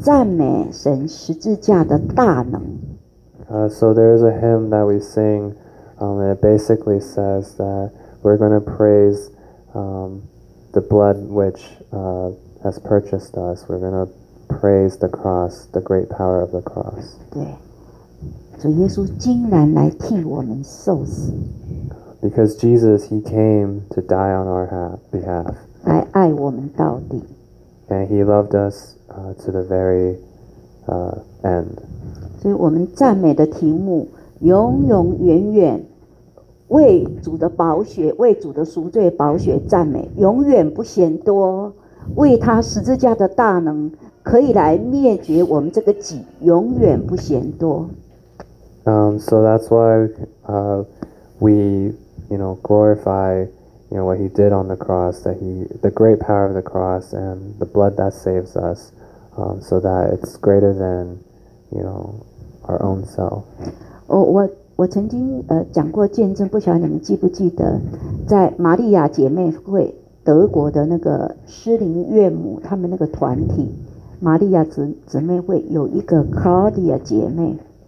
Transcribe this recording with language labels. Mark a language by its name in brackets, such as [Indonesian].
[Chinese] 我们有一首诗歌，宣道诗100首，说我要赞美神的赎罪宝血，要赞美神十字架的大能。 [English] So there is a hymn that we sing. It basically says that we're going to praise the blood which has purchased us. We're going to praise the cross, the great power of the cross. [Chinese] 对，主耶稣竟然来替我们受死。 [English] Because Jesus, he came to die on our behalf. [Chinese] 来爱我们到底。 [English] And he loved us to the very end. [Chinese] 所以我们赞美的题目永永远远 为主的宝血，为主的赎罪宝血赞美，永远不嫌多。为他十字架的大能，可以来灭绝我们这个己，永远不嫌多。 [English] So that's why we, you know, glorify you know, what he did on the cross, that he, the great power of the cross and the blood that saves us, so that it's greater than, you know, our own self. [Chinese] 我曾经讲过见证，不晓得你们记不记得，在玛利亚姐妹会德国的那个施灵岳母他们那个团体，玛利亚姊妹会有一个 Claudia 姐妹。